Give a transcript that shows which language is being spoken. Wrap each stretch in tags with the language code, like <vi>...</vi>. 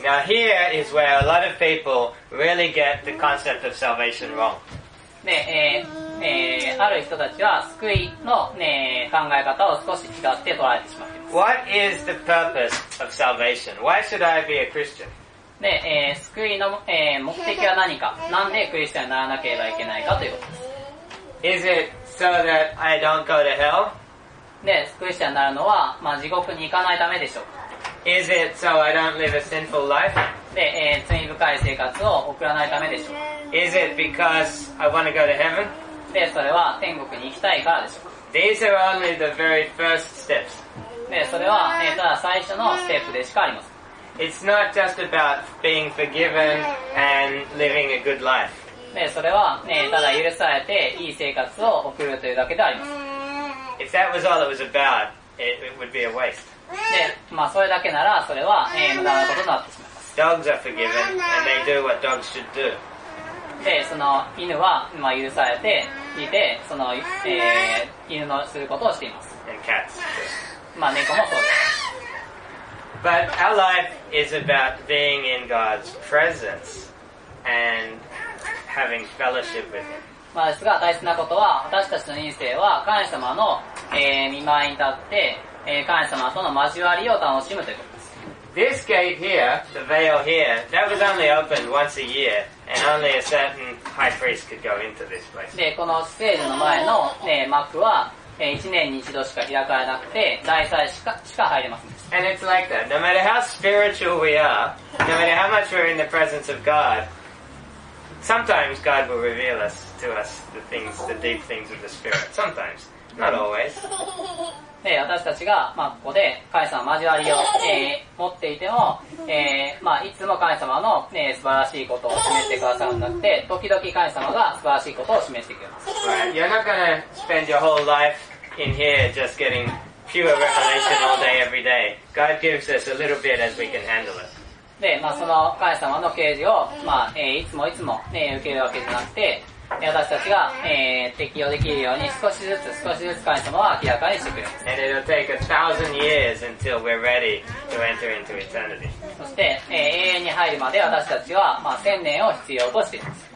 <en>Now here is where a lot of people really get the concept of salvation wrong.</en> <ja>で、ある人たちは救いの、考え方を少し違って捉えてしまっています。</ja> <en>What is the purpose of salvation? Why should I be a Christian?</en> <ja>で、救いの、目的は何か、なんでクリスチャンにならなければいけないかということです。</ja> <en>Is it so that I don't go to hell?</en> <ja>で、クリスチャンになるのは、まあ、地獄に行かないためでしょうか。</ja> <en>Is it so I don't live a sinful life?</en> <ja>で、罪深い生活を送らないためでしょうか。</ja> <en>Is it because I want to go to heaven?</en> <ja>で、それは天国に行きたいからでしょうか。</ja> <en>These are only the very first steps.</en> <ja>で、それは、ただ最初のステップでしかありません。</ja> <en>It's not just about being forgiven and living a good life.</en> <ja>ね、それはね、ただ許されていい生活を送るというだけであります。</ja> <en>If that was all it was about, it would be a waste.</en> <ja>ね、まあそれだけならそれは、無駄なことになってしまいます。</ja> <en>Dogs are forgiven and they do what dogs should do.</en> <ja>で、その犬はまあ許されていて、その、犬のすることをしています。</ja> <en>And cats.</en> <ja>まあ猫もそうです。</ja> <en>But our life is about being in God's presence and having fellowship with Him.</en> <ja>まあですが、大切なことは、私たちの人生は、神様の、御前に立って、神様との交わりを楽しむということです。</ja> <en>This gate here, the veil here, that was only opened once a year, and only a certain high priest could go into this place.</en> <ja>で、この施聖所の前の、幕は、1年に1度しか開かれなくて、大祭司しか入れません。</ja> <en>And it's like that. No matter how spiritual we are, no matter how much we're in the presence of God, sometimes God will reveal us to us the things, the deep things of the Spirit. Sometimes. Not always.</en> <ja>で、私たちが、まあ、ここで、神様の交わりを、持っていても、まあ、いつも神様の、素晴らしいことを示してくださるんだって、時々神様が素晴らしいことを示してくれます。</ja> <en>Right. You're not gonna spend your whole life in here just getting Pure revelation all day, every day. God gives us a little bit as we can handle it.</en> <ja>で、まあその神様の啓示を、まあ、いつもいつも、受けるわけじゃなくて、私たちが、適用できるように少しずつ少しずつ神様は明らかにしてくれます。</ja> <en>And it'll take a thousand years until we're ready to enter into eternity.</en> <ja>そして、永遠に入るまで私たちは、まあ、千年を必要としています。</ja>